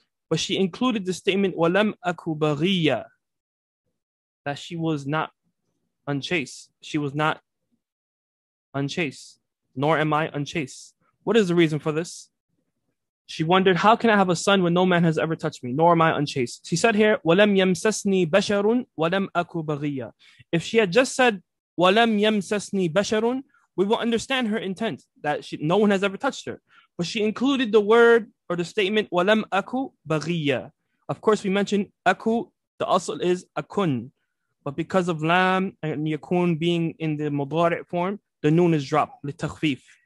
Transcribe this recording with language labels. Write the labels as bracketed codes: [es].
[en] But she included the statement, [ar] وَلَمْ أَكُ بَغِيَّا, [en] that she was not unchaste. She was not unchaste. Nor am I unchaste. What is the reason for this? She wondered, how can I have a son when no man has ever touched me? Nor am I unchaste. She said here, [ar] وَلَمْ يَمْسَسْنِي بَشَرٌ وَلَمْ أَكُ بَغِيَّا. [en] If she had just said, [ar] وَلَمْ يَمْسَسْنِي بَشَرٌ, [en] we will understand her intent, that no one has ever touched her. But she included the word or the statement, [ar] وَلَمْ أَكُ بَغِيَّا. [en] Of course, we mentioned أَكُ, the أصل is أَكُن. But because of لَمْ and يَكُن being in the مُضَارِع form, the noon is dropped, لِتَخْفِيف.